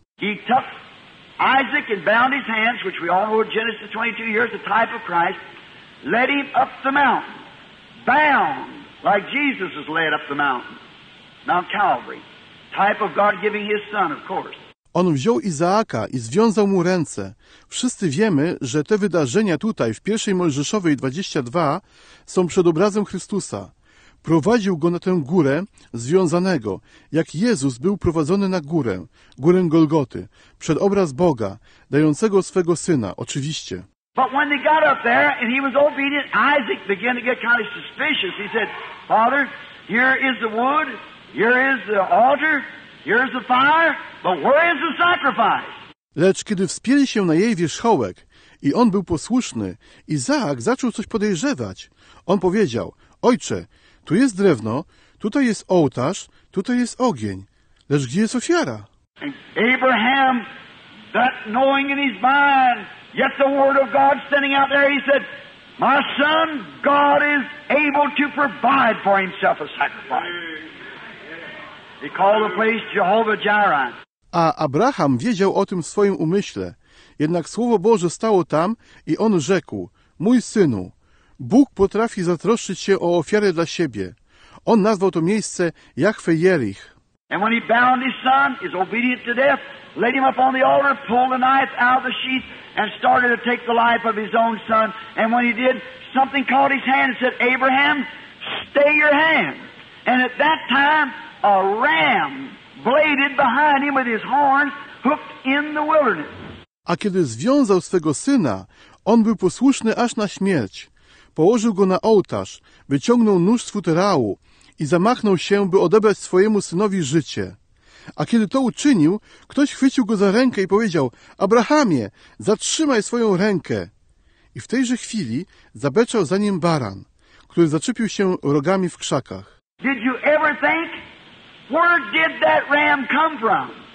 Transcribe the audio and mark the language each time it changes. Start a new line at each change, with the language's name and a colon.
English: He took Isaac and bound his hands, which we all know in Genesis 22, here's the type of Christ, led him up the mountain, bound, like Jesus was led up the mountain, Mount Calvary. Type of God giving his son, of course.
Polish: On wziął Izaaka i związał mu ręce. Wszyscy wiemy, że te wydarzenia tutaj w 1 Mojżeszowej 22 są przedobrazem Chrystusa. Prowadził go na tę górę związanego, jak Jezus był prowadzony na górę, górę Golgoty, przed obraz Boga, dającego swego Syna, oczywiście.
English: But when they got up there and he was obedient, Isaac began to get kind of suspicious. He said, Father, here is the wood. Here is the altar, here is the fire, but where is the sacrifice?
Polish: Lecz kiedy wspięli się na jej wierzchołek i on był posłuszny, Izaak zaczął coś podejrzewać. On powiedział, Ojcze, tu jest drewno, tu Tutaj jest ołtarz, tutaj jest ogień. Lecz gdzie jest ofiara?
English: Abraham, that knowing in his mind, yet the word of God standing out there, he said, my son, God is able to provide for himself a sacrifice. He called the place Jehovah Jireh.
Polish: A Abraham wiedział o tym w swoim umyśle. Jednak Słowo Boże stało tam i on rzekł, mój synu, Bóg potrafi zatroszczyć się o ofiarę dla siebie. On nazwał to miejsce Jahwe Jerich.
English: And when he bound his son, his obedient to death, laid him up on the altar, pulled the knife out of the sheath, and started to take the life of his own son. And when he did, something caught his hand and said, Abraham, stay your hand. And at that time, a ram bladed behind him with his horns hooked in the wilderness.
Polish: A kiedy związał swego syna, on był posłuszny aż na śmierć. Położył go na ołtarz, wyciągnął nóż z futerału i zamachnął się, by odebrać swojemu synowi życie. A kiedy to uczynił, ktoś chwycił go za rękę i powiedział, Abrahamie, zatrzymaj swoją rękę. I w tejże chwili zabeczał za nim baran, który zaczepił się rogami w krzakach.
English: Did you ever think, where did that ram come from?